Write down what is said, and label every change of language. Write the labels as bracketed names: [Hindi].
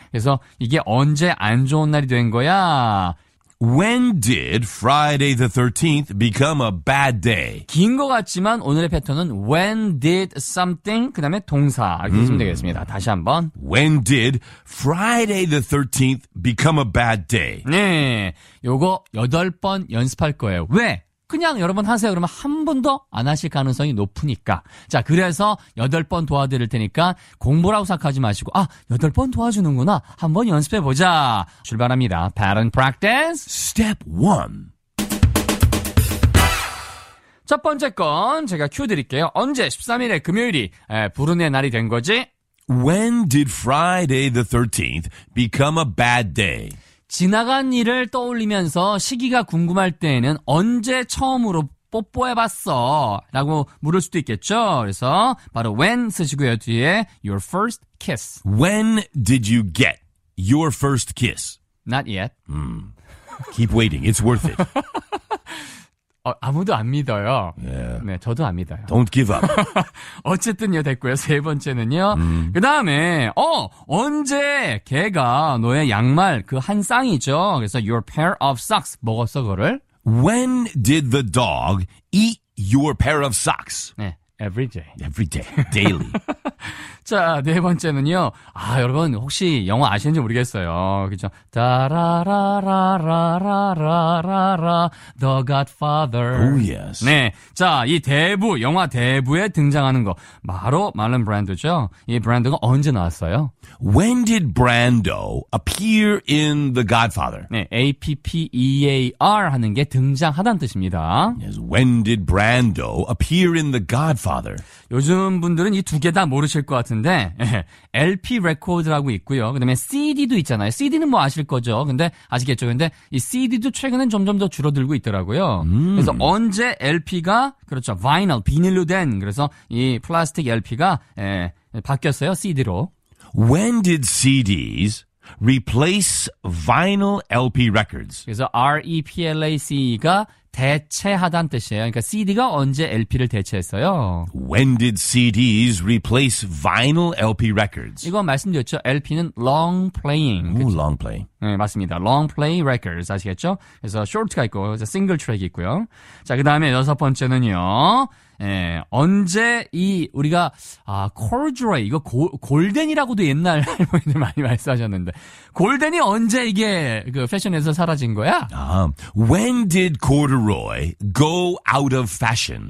[Korean] 그래서 이게 언제 안 좋은 날이 된 거야? [English] When did Friday the 13th become a bad day? [Korean] 긴 것 같지만 오늘의 패턴은 [English] When did something? [Korean] 그 다음에 동사. 이렇게 쓰면 되겠습니다. 다시 한번. [English] When did Friday the 13th become a bad day? [Korean] 네. 요거 여덟 번 연습할 거예요. 왜? 그냥 여러분 하세요. 그러면 한 번도 안 하실 가능성이 높으니까. 자, 그래서 여덟 번 도와드릴 테니까 공부라고 생각하지 마시고 아, 여덟 번 도와주는구나. 한번 연습해보자. 출발합니다. [English] Pattern practice. Step 1. [Korean] 첫 번째 건 제가 큐 드릴게요. 언제 13일에 금요일이 불운의 날이 된 거지? [English] When did Friday the 13th become a bad day? [Korean] 지나간 일을 떠올리면서 시기가 궁금할 때에는 언제 처음으로 뽀뽀해봤어? 라고 물을 수도 있겠죠? 그래서 바로 when 쓰시고요. [English] 뒤에 your first kiss. When did you get your first kiss? Not yet. Keep waiting. It's worth it. [Korean] 아무도 안 믿어요. [English] Yeah. [Korean] 네, 저도 안 믿어요. [English] Don't give up. [Korean] 어쨌든요, 됐고요. 세 번째는요. 그 다음에, 언제 걔가 너의 양말, 그 한 쌍이죠. 그래서 [English] your pair of socks [Korean] 먹었어, 그거를. [English] When did the dog eat your pair of socks? 네, every day. Every day, daily. [Korean] 자, 네 번째는요. 아, 여러분, 혹시 영어 아시는지 모르겠어요. 그죠? 다라라라라라라라라, The Godfather. [English] Oh, yes. [Korean] 네. 자, 이 대부, 영화 대부에 등장하는 거. 바로 말론 브랜드죠. 이 브랜드가 언제 나왔어요? [English] When did Brando appear in The Godfather? [Korean] 네, APPEAR 하는 게 등장하다는 뜻입니다. [English] Yes, when did Brando appear in The Godfather? [Korean] 요즘 분들은 이 두 개 다 모르실 것 같은데 LP 레코드라고 있고요. 그다음에 CD도 있잖아요. CD는 뭐 아실 거죠. 근데 아시겠죠. 근데 이 CD도 최근엔 점점 더 줄어들고 있더라고요. 그래서 언제 LP가 그렇죠. 바이널, 비닐로 된 그래서 이 플라스틱 LP가 바뀌었어요. CD로. [English] When did CDs replace vinyl LP records? [Korean] 그래서 REPLACE가 대체하다는 뜻이에요. 그러니까 CD가 언제 LP를 대체했어요? [English] When did CDs replace vinyl LP records? [Korean] 이거 말씀드렸죠. LP는 long playing. [English] 오, long play. [Korean] 네, 맞습니다. [English] Long play records [Korean] 아시겠죠? 그래서 short가 있고 single track 있고요. 자, 그다음에 여섯 번째는요. 예, 언제 이 우리가 아, 코듀로이 이거 골덴이라고도 옛날 할머니들 많이 말씀하셨는데 골덴이 언제 이게 그 패션에서 사라진 거야? [English] When did corduroy go out of fashion?